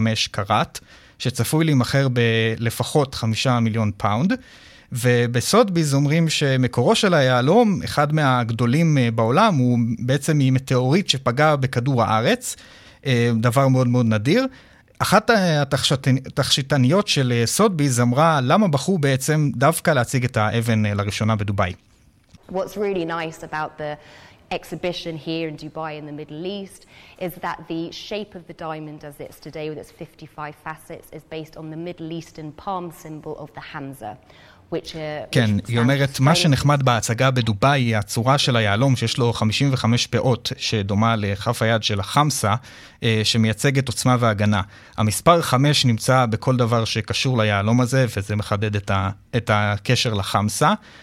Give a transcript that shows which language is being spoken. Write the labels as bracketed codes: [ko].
[he] קראט, שצפוי להימחר בלפחות 5 מיליון פאונד, ובסוטביז אומרים שמקורו של היעלום, אחד מהגדולים בעולם, הוא בעצם מטאורית שפגע בכדור הארץ, דבר מאוד מאוד נדיר. אחת התכשיטניות של סוטביז אמרה למה בחרו בעצם דווקא להציג את האבן לראשונה בדובאי. [en] What's really nice about the exhibition here in Dubai in the Middle East is that the shape of the diamond as it's today with its 55 facets is based on the Middle Eastern palm symbol of the Hamza. [he] כן, היא אומרת, מה שנחמד בהצגה בדובאי היא הצורה של היעלום שיש לו 55 פאות שדומה לכף היד של החמסה, שמייצגת עוצמה והגנה. המספר 5 נמצא בכל דבר שקשור ליעלום הזה, וזה מחדד את הקשר לחמסה.